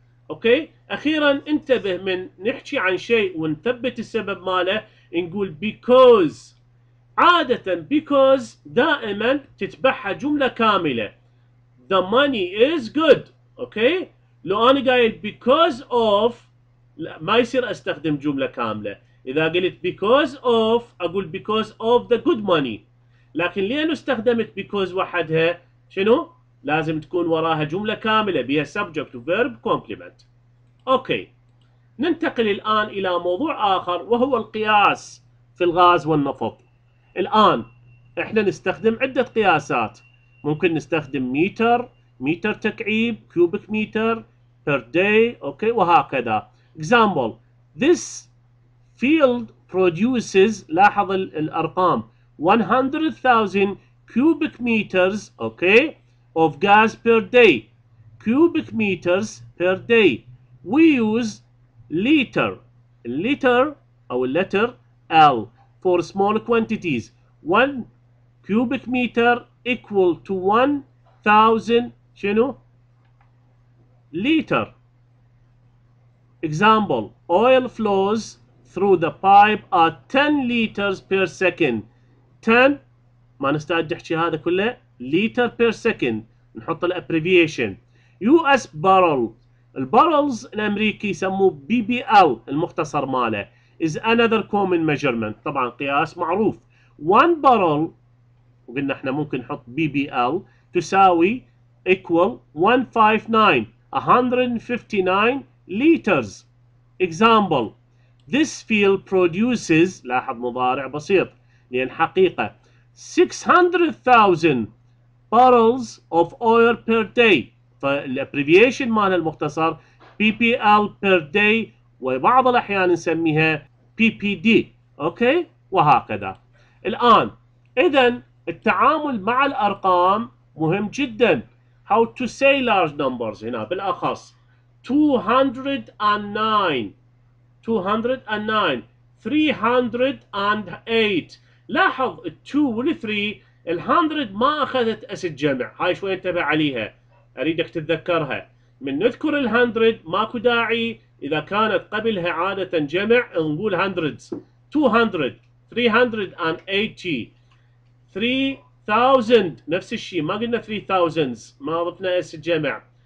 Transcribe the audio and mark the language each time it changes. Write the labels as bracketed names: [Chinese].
[Arabic] اوكي اخيرا انتبه من نحكي عن شيء ونثبت السبب ماله نقول because. عادة because دائما تتبعها جملة كاملة [English] the money is good. [Arabic] اوكي لو انا قايل because of لا ما يصير استخدم جملة كاملة. اذا قلت [English] because of اقول because of the good money. [Arabic] لكن لين استخدمت because وحدها شنو لازم تكون وراها جملة كاملة بها [English] subject verb complement. [Arabic] اوكي ننتقل الان الى موضوع اخر وهو القياس في الغاز والنفط. الان احنا نستخدم عدة قياسات، ممكن نستخدم متر، متر تكعيب، كيوبيك متر، per day، اوكي وهكذا. [English] example this field produces، [Arabic] لاحظ الارقام [English] 100,000 cubic meters okay of gas per day. cubic meters per day we use liter. liter او letter L for small quantities. one cubic meter equal to 1,000 شنو liter. example oil flows through the pipe at 10 liters per second. [Arabic] 10 ما نستعد نحكي هذا كله liter per second، نحط الابريفيشن. US barrel، البارلز الامريكي يسموه BBL المختصر ماله، [English] is another common measurement، [Arabic] طبعا قياس معروف. one barrel وقلنا احنا ممكن نحط BBL تساوي equal 159 liters. [English] example this field produces، [Arabic] لاحظ مضارع بسيط لأن حقيقة [English] 600,000 barrels of oil per day. [Arabic] فالابريفيشن مال المختصر PPL per day، وبعض الأحيان نسميها PPD أوكي وهكذا. الآن إذن التعامل مع الأرقام مهم جدا. [English] How to say large numbers [Arabic] هنا بالأخص [English] 209 308. [Arabic] لاحظ الـ 2 والـ 3 الـ 100 ما أخذت أس الجمع، هاي شوي انتبه عليها أريدك تتذكرها. من نذكر الـ 100 ماكو داعي، إذا كانت قبلها عادة جمع نقول hundreds. 200 380 3000 نفس الشيء، ما قلنا 3000s ما أضفنا أس الجمع.